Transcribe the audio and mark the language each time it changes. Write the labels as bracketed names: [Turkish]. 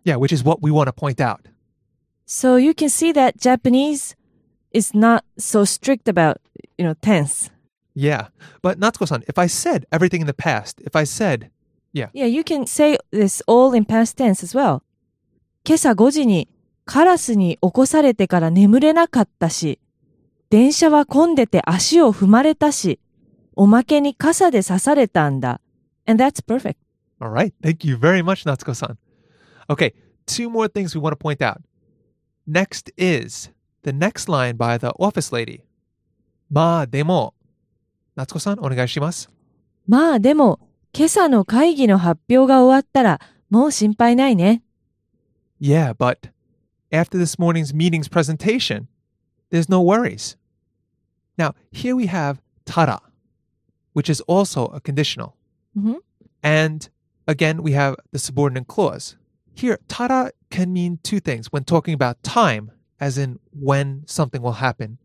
[English] Yeah, which is what we want to point out. So you can see that Japanese is not so strict about, you know, tense. Yeah. But Natsuko-san, if I said everything in the past, if I said, yeah. Yeah, you can say this all in past tense as well. [Japanese] 今朝 5時にカラスに起こされてから眠れなかったし、電車は混んでて足を踏まれたし、おまけに傘で刺されたんだ。 [English] And that's perfect. All right. Thank you very much, Natsuko-san. Okay. Two more things we want to point out. Next is the next line by the office lady. [Japanese] まあでも。 [English] Natsuko-san, [Japanese] お願いします。まあでも、今朝の会議の発表が終わったらもう心配ないね。 [English] Yeah, but after this morning's meeting's presentation, there's no worries. Now, here we have tada, which is also a conditional. Mm-hmm. And again, we have the subordinate clause. Here, tada can mean two things when talking about time, as in when something will happen,